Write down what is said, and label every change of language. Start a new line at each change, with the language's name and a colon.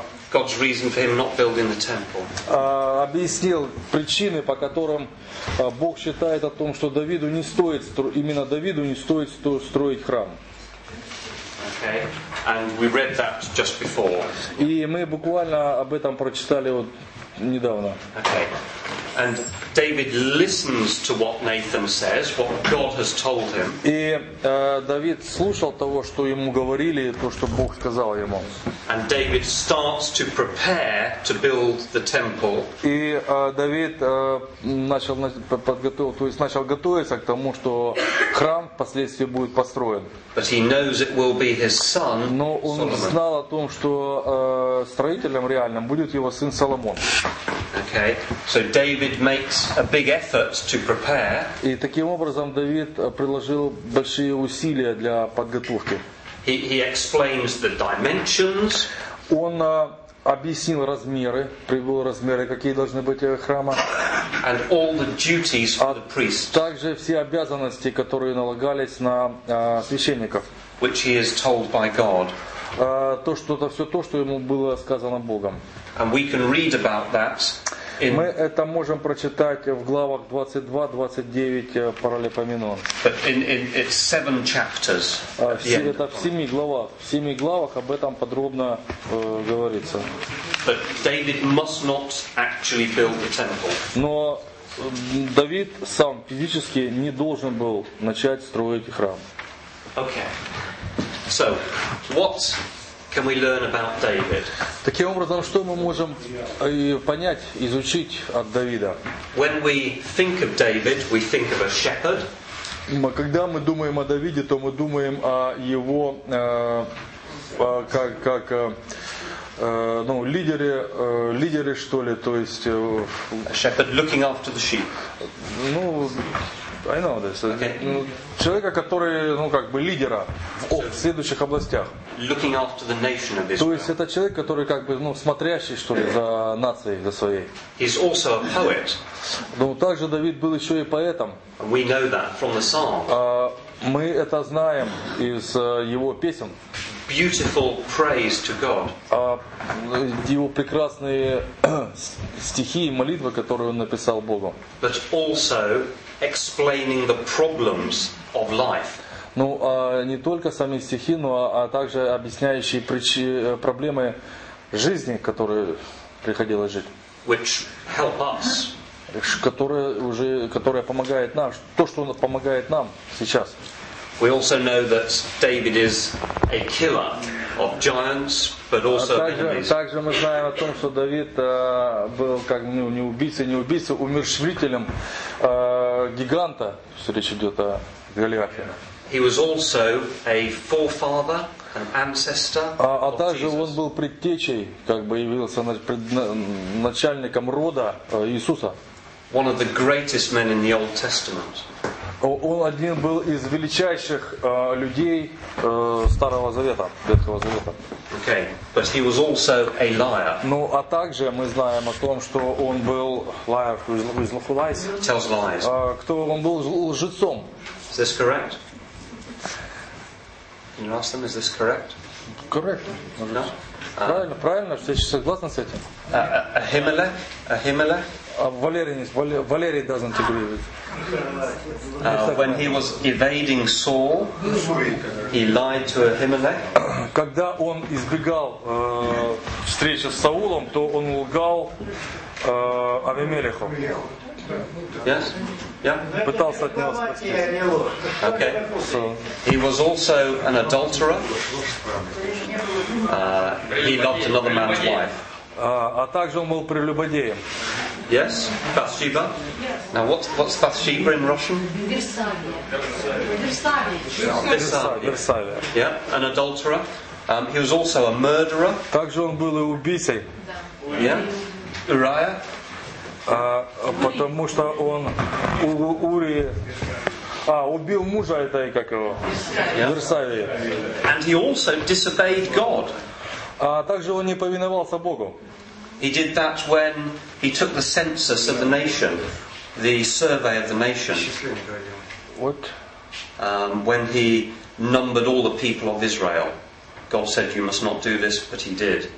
English: God's reason for him not building the temple.
Russian: Объяснил причины, по которым Бог считает о том, что Давиду не стоит, именно Давиду не стоит строить храм.
English: Okay. And we read that just before.
Russian: И мы буквально об этом прочитали вот недавно.
English: Okay. And David listens to what Nathan says, what God has told him.
Russian: И Давид слушал того, что ему говорили, то, что Бог сказал ему.
English: And David starts to prepare to build the temple.
Russian: И Давид начал готовиться к тому, что храм впоследствии будет построен.
English: But he knows it will be his son.
Russian: Но он знал о том, что строителем реальным будет его сын Соломон.
English: Okay. So David makes a big effort to prepare.
Russian: И таким образом Давид приложил большие усилия для подготовки.
English: He explains the dimensions.
Russian: Он объяснил размеры, привел размеры, какие должны быть храма.
English: And all the duties of the priests.
Russian: Также все обязанности, которые налагались на священников.
English: Which he is told by God.
Russian: То, что это все то, что ему было сказано Богом.
English: And we can read about that in...
Russian: Мы это можем прочитать в главах 22-29 Паралипоменон.
English: It's seven chapters.
Russian: Это в семи главах. В семи главах об этом подробно говорится.
English: But David must not actually build the temple.
Russian: Но Давид сам физически не должен был начать строить храм.
English: Okay. So, what can we learn about David?
Russian: Таким образом, что мы можем понять, изучить от Давида?
English: When we think of David, we think of a shepherd.
Russian: Когда мы думаем о Давиде, то мы думаем о его как ну лидере что ли, то есть.
English: A shepherd looking after the sheep. Ну. I know this. Okay.
Russian: Человека, который, ну как бы лидера в следующих областях.
English: Looking after the nation of Israel.
Russian: То есть это человек, который как бы, ну, смотрящий что ли за нацией, за своей.
English: He's also a poet.
Russian: Ну, также Давид был еще и поэтом.
English: We know that from the song.
Russian: Мы это знаем из его песен.
English: Beautiful praise to God.
Russian: Его прекрасные стихи и молитвы, которые он написал Богу.
English: But also explaining the problems of life.
Russian: Ну, не только сами стихи, но также объясняющие проблемы жизни, которые приходилось жить.
English: Which help us.
Russian: Которая помогает нам, то, что помогает нам сейчас.
English: We also know that David is a killer of giants, but also of enemies.
Russian: Также мы знаем о том, что Давид был как не убийца, умерщвителем гиганта. Все речь идет о Голиафе.
English: He was also a forefather, an ancestor.
Russian: А также он был предтечей, как бы явился начальником рода Иисуса.
English: One of the greatest men in the Old Testament.
Russian: Он один был из величайших людей Старого Завета, Ветхого Завета.
English: Okay. But he was also a liar.
Russian: Ну, а также мы знаем о том, что он был
English: liar, who's lies. Tells lies.
Russian: Кто он был лжецом.
English: Is this correct? Can you ask them, is this correct? Correct. No?
Russian: Правильно, правильно, все согласны с этим?
English: Ahimelech? Валерий doesn't agree with. When he was evading Saul, he lied to Ahimelech.
Russian: Когда он избегал встречи с Саулом, то он лгал Ахимелеху.
English: Yes? Yeah?
Russian: Пытался от него спасти.
English: Okay. So. He was also an adulterer. He loved another man's wife.
Russian: А также он был прелюбодеем.
English: Yes, Bathsheba. Yes. Now what's Bathsheba in Russian?
Russian: Версавия.
English: Yeah, an adulterer. He was also a murderer.
Russian: Также он был и убийцей.
English: Yeah. Uriah.
Russian: Потому что он убил мужа этой, как его, Версавия.
English: And he also disobeyed God.
Russian: А также он не повиновался Богу.
English: He did that when he took the census of the nation, the survey of the nation. What? When he numbered all the people of Israel. God said you must not do this, but he did.